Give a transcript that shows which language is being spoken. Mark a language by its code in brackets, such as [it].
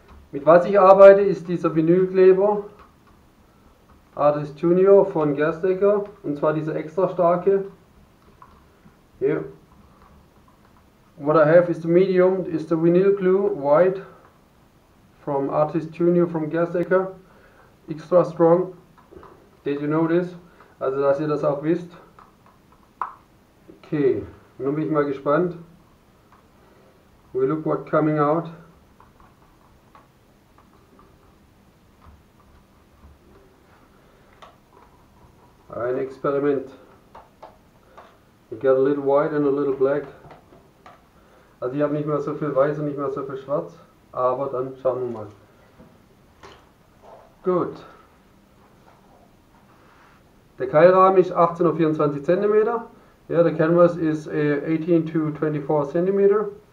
[de] Mit was ich arbeite, ist dieser Vinylkleber Artist Junior von Gerstecker, und zwar dieser extra starke. Hier. [en] What I have is the medium, is the Vinyl Glue White from Artist Junior from Gerstecker. Extra strong. Did you notice? [de] Also, dass ihr das auch wisst. Okay, nun bin ich mal gespannt. [en] We look what coming out. [de] Ein Experiment. [en] I got a little white and a little black. [de] Also ich habe nicht mehr so viel weiß und nicht mehr so viel schwarz. Aber dann schauen wir mal. Gut. Der Keilrahmen ist 18×24 cm. Ja, der Canvas ist 18×24 cm.